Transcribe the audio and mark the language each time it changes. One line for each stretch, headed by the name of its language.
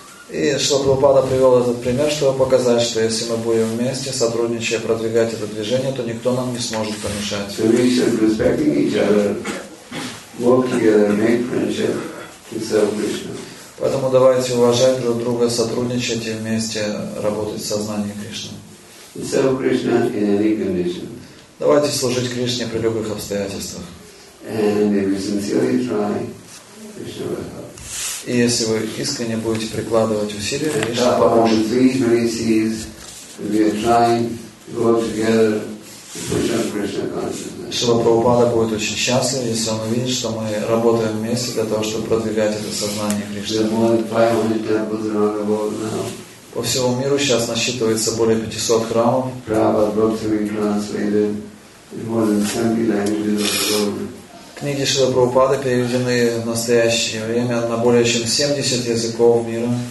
Russian: И Шрила Прабхупада привел этот пример, чтобы показать, что если мы будем вместе, сотрудничая, продвигать это движение, то никто нам не сможет помешать.
English: So we should respect each other, work together, make friendship, and serve Krishna.
Russian: Поэтому давайте уважать друг друга, сотрудничать и вместе работать в сознании Кришны.
English: And serve Krishna in any condition.
Russian: Давайте служить Кришне при любых обстоятельствах.
English: And if you sincerely try, Krishna will help.
Russian: И если вы искренне будете прикладывать усилия, Кришна поможет.
English: Please, when he sees that we are trying to work together to push on Krishna consciousness.
Russian: Шрила Прабхупада будет очень счастлив, если он увидит, что мы работаем вместе для того, чтобы продвигать это сознание Кришны.
English: There are more than 500 temples around the world now.
Russian: По всему миру сейчас насчитывается более 500 храмов.
English: Prabhupada's books have been translated in more than 70 languages of the world.
Russian: Книги Шрилы Прабхупады переведены в настоящее время на более чем 70 языков мира.